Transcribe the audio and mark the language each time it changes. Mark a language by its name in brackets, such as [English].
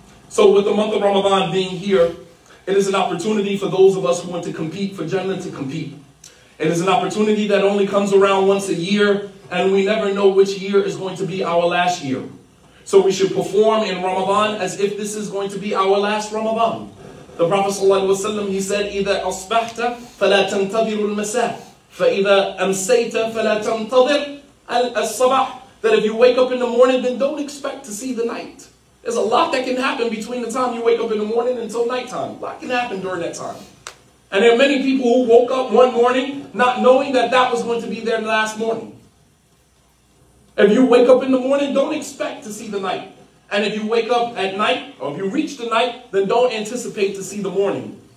[English] So with the month of Ramadan being here, it is an opportunity for those of us who want to compete, for Jannah to compete. It is an opportunity that only comes around once a year, and we never know which year is going to be our last year. So we should perform in Ramadan as if this is going to be our last Ramadan. The Prophet sallallahu alaihi wasallam, he said, [Arabic] إِذَا أَصْبَحْتَ فَلَا تَنْتَظِرُ الْمَسَاءِ فَإِذَا أَمْسَيْتَ فَلَا تَنْتَظِرْ الصَّبَاحِ. [English] That if you wake up in the morning, then don't expect to see the night. There's a lot that can happen between the time you wake up in the morning until nighttime. A lot can happen during that time. And there are many people who woke up one morning not knowing that that was going to be their last morning. If you wake up in the morning, don't expect to see the night. And if you wake up at night, or if you reach the night, then don't anticipate to see the morning.